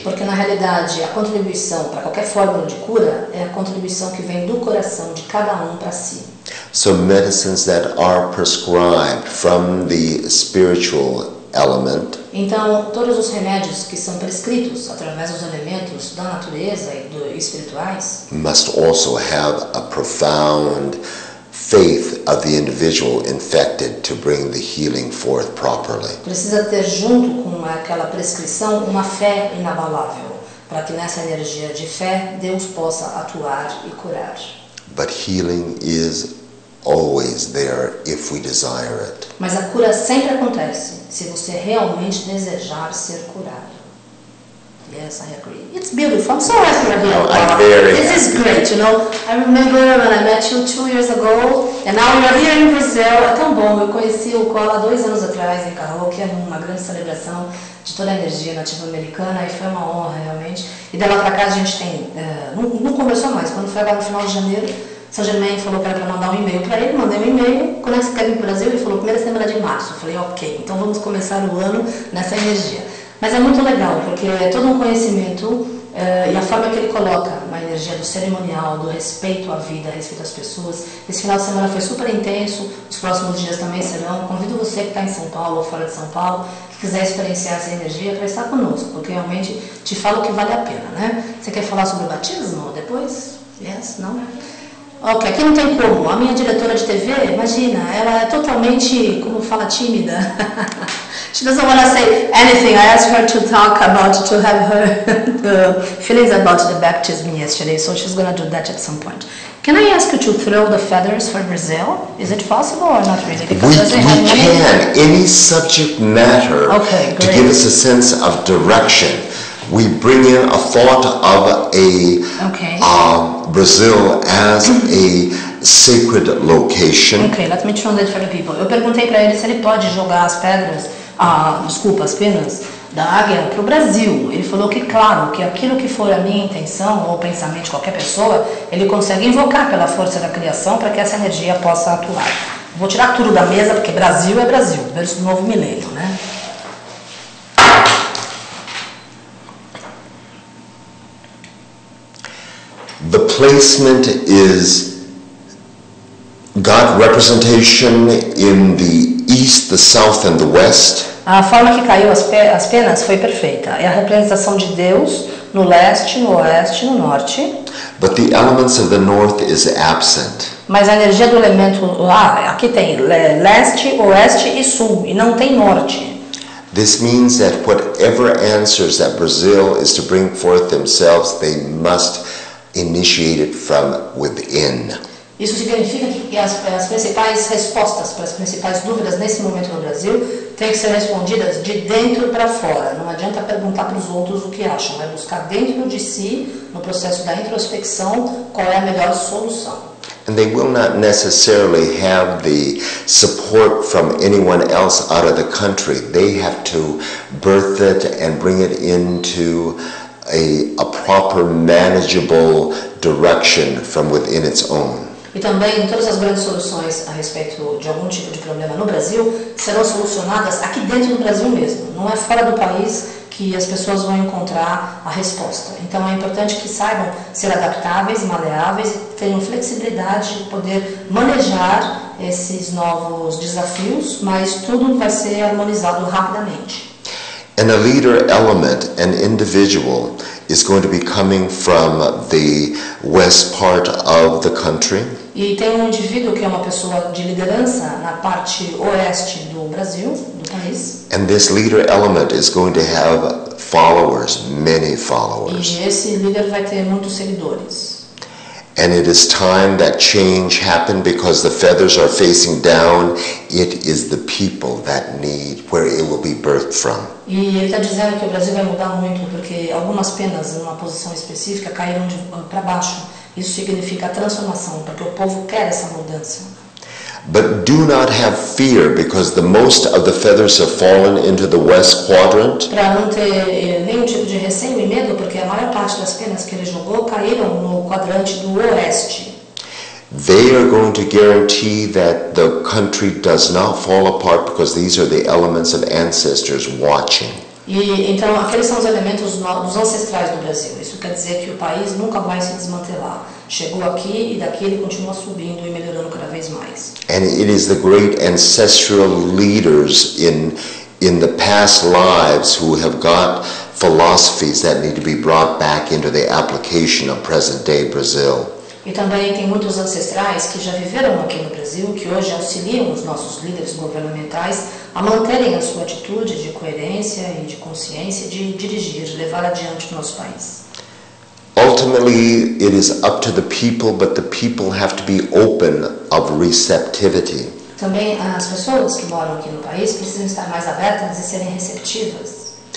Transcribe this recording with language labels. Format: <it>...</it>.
<pt>Porque na realidade a contribuição para qualquer fórmula de cura é a contribuição que vem do coração de cada para si.</pt> <en>So medicines that are prescribed from the spiritual element.</en> <pt>Então todos os remédios que são prescritos através dos elementos da natureza e do espirituais</pt> <en>must also have a profound faith of the individual infected to bring the healing forth properly.</en> <pt>Precisa ter junto com aquela prescrição uma fé inabalável para que nessa energia de fé Deus possa atuar e curar.</pt> <en>But healing is always there if we desire it.</en> <pt>Mas a cura sempre acontece se você realmente desejar ser curado.</pt> <en>Yes, I agree. It's beautiful. I'm so happy you're here. This is great, you know. I remember when I met you 2 years ago, and now you're here in Brazil.</en> <pt>É tão bom. Eu conheci o COMUNICAÇÃO 2 anos atrás em Carroque, numa grande celebração de toda a energia nativa-americana, e foi uma honra, realmente. E dela pra cá a gente tem... Não conversou mais. Quando foi agora no final de janeiro, São Germain falou que era pra mandar um e-mail pra ele, mandei um e-mail. Quando você quer vir pro Brasil, ele falou, primeira semana de março. Eu falei, ok, então vamos começar o ano nessa energia. Mas é muito legal, porque é todo um conhecimento e a forma que ele coloca uma energia do cerimonial, do respeito à vida, respeito às pessoas. Esse final de semana foi super intenso, os próximos dias também serão. Convido você que está em São Paulo ou fora de São Paulo, que quiser experienciar essa energia, para estar conosco, porque realmente te falo que vale a pena, né? Você quer falar sobre o batismo depois? Yes? Não? Ok, aqui não tem como. A minha diretora de TV, imagina, ela é totalmente, como fala, tímida.</pt> <en>She doesn't want to say anything. I asked her to talk about, to have her feelings about the baptism yesterday. So she's going to do that at some point. Can I ask you to throw the feathers for Brazil? Is it possible or not really? We can. Any subject matter, okay, to give us a sense of direction. We bring in a thought of Brazil as a sacred location. Okay, let me translate for the people.</en> <pt>Eu perguntei para ele se ele pode jogar as pedras, as penas da águia pro Brasil. Ele falou que claro, que aquilo que for a minha intenção ou pensamento de qualquer pessoa, ele consegue invocar pela força da criação para que essa energia possa atuar. Vou tirar tudo da mesa porque Brasil é Brasil, verso do novo milênio, né?</pt> <en>The placement is God representation in the east, the south, and the west.</en> <pt>A forma que caiu as penas foi perfeita. É a representação de Deus no leste, no oeste, no norte.</pt> <en>But the elements of the north is absent.</en> <pt>Mas a energia do elemento lá, aqui tem leste, oeste e sul, e não tem norte.</pt> <en>This means that whatever answers that Brazil is to bring forth themselves, they must initiate it from within.</en> <pt>Isso significa que as principais respostas para as principais dúvidas nesse momento no Brasil têm que ser respondidas de dentro para fora. Não adianta perguntar para os outros o que acham. É buscar dentro de si, no processo da introspecção, qual é a melhor solução.</pt> <en>And they will not necessarily have the support from anyone else out of the country. They have to birth it and bring it into a proper manageable direction from within its own.</en> <pt>E também todas as grandes soluções a respeito de algum tipo de problema no Brasil serão solucionadas aqui dentro do Brasil mesmo. Não é fora do país que as pessoas vão encontrar a resposta. Então é importante que saibam ser adaptáveis, maleáveis e tenham flexibilidade de poder manejar esses novos desafios, mas tudo vai ser harmonizado rapidamente.</pt> <en>And a leader element, an individual, is going to be coming from the west part of the country.</en> <pt>E tem um indivíduo que é uma pessoa de liderança na parte oeste do Brasil, do país.</pt> <en>And this leader element is going to have followers, many followers.</en> <pt>E esse líder vai ter muitos seguidores.</pt> <en>And it is time that change happened because the feathers are facing down. It is the people that need where it will be birthed from.</en> <pt>E ele está dizendo que o Brasil vai mudar muito porque algumas penas em uma posição específica caíram para baixo. Isso significa transformação, porque o povo quer essa mudança.</pt> <en>But do not have fear because the most of the feathers have fallen into the west quadrant.</en> <pt>Para não ter nenhum tipo de receio e medo, porque a maior parte das penas que ele jogou caíram no quadrante do oeste.</pt> <en>They are going to guarantee that the country does not fall apart because these are the elements of ancestors watching.</en> <pt>E então aqueles são os elementos dos ancestrais do Brasil. Isso quer dizer que o país nunca vai se desmantelar. Chegou aqui e daqui ele continua subindo e melhorando cada vez mais.</pt> <en>And it is the great ancestral leaders in the past lives who have got philosophies that need to be brought back into the application of present day Brazil.</en> <pt>E também tem muitos ancestrais que já viveram aqui no Brasil, que hoje auxiliam os nossos líderes governamentais a manterem a sua atitude de coerência e de consciência de dirigir, de levar adiante o nosso país.</pt> <en>Ultimately, it is up to the people, but the people have to be open of receptivity.</en> <pt>Também as pessoas que moram aqui no país precisam estar mais abertas e serem receptivas.</pt>